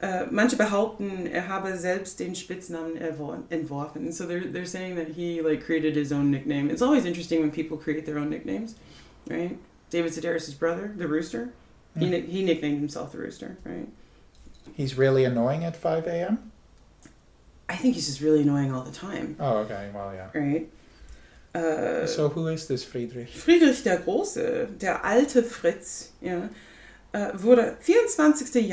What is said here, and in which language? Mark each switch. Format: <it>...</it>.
<de>Manche behaupten, er habe selbst den Spitznamen entworfen.</de> <en>So they're saying that he like created his own nickname. It's always interesting when people create their own nicknames, right? David Sedaris' brother, the Rooster, he nicknamed himself the Rooster, right? He's really annoying at 5 a.m.? I think he's just really annoying all the time. Oh, okay. Well, yeah. Right? So who is this Friedrich?</en> <de>Friedrich der Große, der alte Fritz, ja, wurde 24.</de>